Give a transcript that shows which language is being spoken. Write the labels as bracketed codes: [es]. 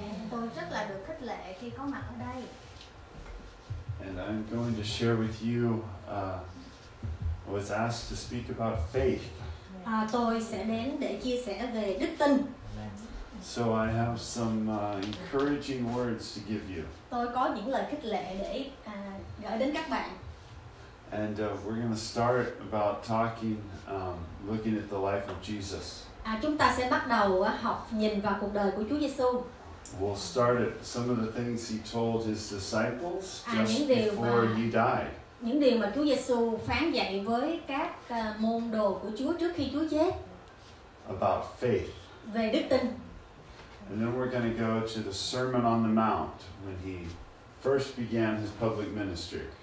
[vi] Tôi rất là được khích lệ khi có mặt ở đây. [en] And I'm going to share with you, I was asked to speak about faith. [vi] Tôi sẽ đến để chia sẻ về đức tin. [en] So I have some encouraging words to give you. [vi] Tôi có những lời khích lệ để gửi đến các bạn. [en] And we're going to start about talking, looking at the life of Jesus. [vi] Chúng ta sẽ bắt đầu học nhìn vào cuộc đời của Chúa Giêsu. [en] We'll start at some of the things he told his disciples just before he died. [vi] Những điều mà Chúa Giêsu phán dạy với các môn đồ của Chúa trước khi Chúa chết. [en] About faith. [vi] Về đức tin. [en] And then we're going to go to the Sermon on the Mount when he first began his public ministry.